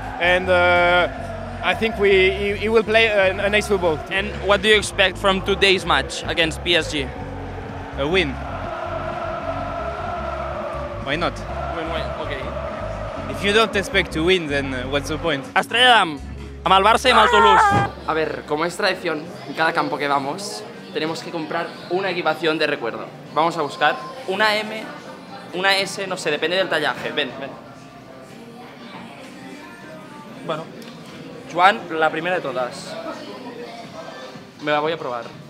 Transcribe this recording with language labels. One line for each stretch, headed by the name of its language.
English: And I think he will play a nice football. And what do you expect from today's match against PSG? A win. Why not? Win. Okay. If you don't expect to win, then what's the point?
Catalan: Estrella-Damm, amb el Barça y amb el Toulouse.
Spanish: A ver, como es tradición, en cada campo que vamos, tenemos que comprar una equipación de recuerdo. Vamos a buscar una M, una S, no sé, depende del tallaje. Ven. Bueno, Juan, la primera de todas. Me la voy a probar.